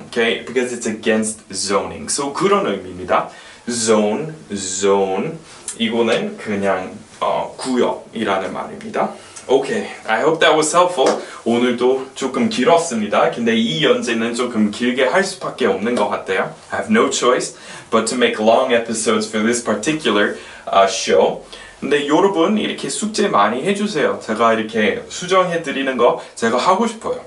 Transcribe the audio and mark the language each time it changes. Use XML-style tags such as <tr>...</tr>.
<en>오케이 because it's against zoning. So</en> <ko>그런 의미입니다. Zone 이거는 그냥 구역이라는 말입니다.</ko> <en>Okay, I hope that was helpful.</en> <ko>오늘도 조금 길었습니다. 근데 이 연재는 조금 길게 할 수밖에 없는 것 같아요.</ko> <en>I have no choice but to make long episodes for this particular show.</en> <ko>근데 여러분 이렇게 숙제 많이 해주세요. 제가 이렇게 수정해드리는 거 제가 하고 싶어요.</ko>